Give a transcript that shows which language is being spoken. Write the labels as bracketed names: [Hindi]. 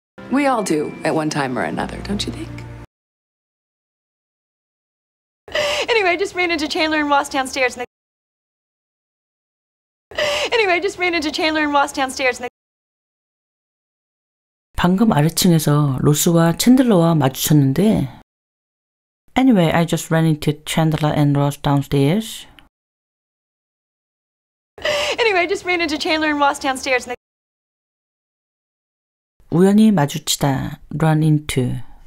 [English] We all do at one time or another, don't you think? Anyway, I just ran into Chandler and Ross downstairs. Anyway, I just ran into Chandler and Ross downstairs. [Korean] 방금 아래층에서 로스와 챈들러와 마주쳤는데. [English] Anyway, I just ran into Chandler and Ross downstairs. Anyway, I just ran into Chandler and Ross downstairs. [Korean] 우연히 마주치다. [English] Run into.